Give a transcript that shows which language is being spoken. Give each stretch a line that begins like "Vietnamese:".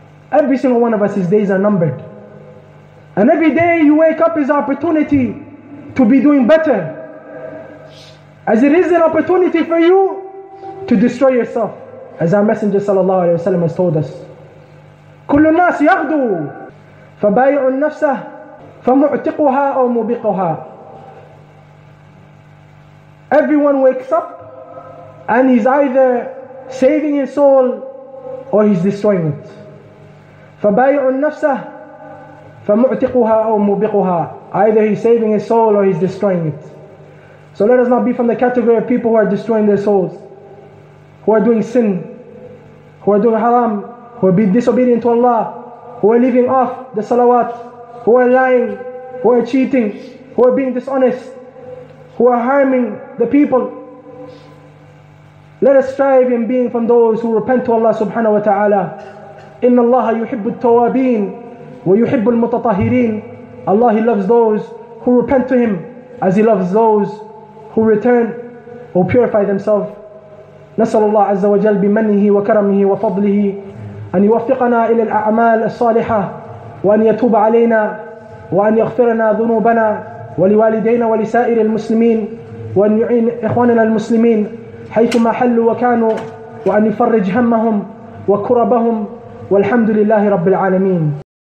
English: Every single one of us, his days are numbered. And every day you wake up is an opportunity to be doing better, as it is an opportunity for you to destroy yourself, as our Messenger sallallahu alaihi wasallam has told us.
Arabic: كل الناس يغدو فبايع النفس فمعتقها أو مبقها.
English: Everyone wakes up and he's either saving his soul or he's destroying it.
Arabic: فبايع النفس فمعتقها أو مبقها.
English: Either he's saving his soul or he's destroying it. So let us not be from the category of people who are destroying their souls, who are doing sin, who are doing haram, who are being disobedient to Allah, who are leaving off the salawat, who are lying, who are cheating, who are being dishonest, who are harming the people. Let us strive in being from those who repent to Allah subhanahu wa ta'ala.
Arabic: Inna Allah yuhibbu at-tawabin wa yuhibbu al-mutatahirin.
English: Allah, He loves those who repent to Him as He loves those who return, who purify themselves.
Arabic: نسأل الله عز وجل بمنه وكرمه وفضله أن يوفقنا إلى الأعمال الصالحة وأن يتوب علينا وأن يغفرنا ذنوبنا ولوالدينا ولسائر المسلمين وأن يعين إخواننا المسلمين حيثما حلوا وكانوا وأن يفرج همهم وكربهم والحمد لله رب العالمين.